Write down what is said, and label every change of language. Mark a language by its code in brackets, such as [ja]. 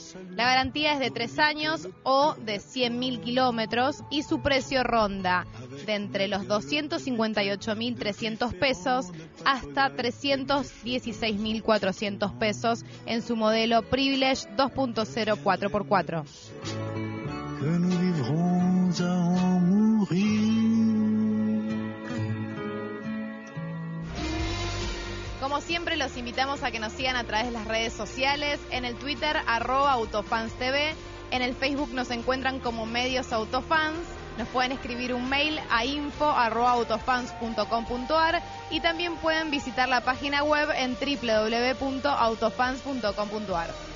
[es] La garantía es de 3 años o de 100.000 kilómetros y su precio ronda de entre los 258.300 pesos hasta 316.400 pesos en su modelo Privilege 2.0 4x4. [fr] Que nous vivrons à en mourir. [es] Como siempre, los invitamos a que nos sigan a través de las redes sociales, en el Twitter, @autofansTV, en el Facebook nos encuentran como Medios Autofans, nos pueden escribir un mail a info@autofans.com.ar y también pueden visitar la página web en www.autofans.com.ar.